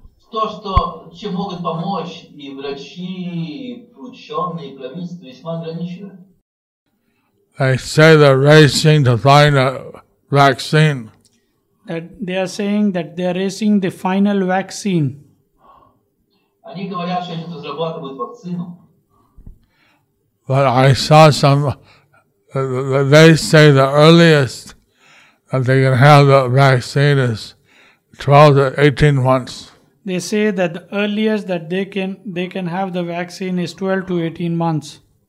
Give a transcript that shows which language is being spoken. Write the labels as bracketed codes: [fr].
[ru] то, что чем могут помочь и врачи, и ученые, и правительство весьма ограничены. [en] They say they're racing to find a vaccine. That they are saying that they are racing the final vaccine. [ru] Они говорят, что они разрабатывают вакцину. [en] But I saw some. They say the earliest that they can have the vaccine is 12 to 18 months. They say that the earliest that they can have the vaccine is 12 to 18 months.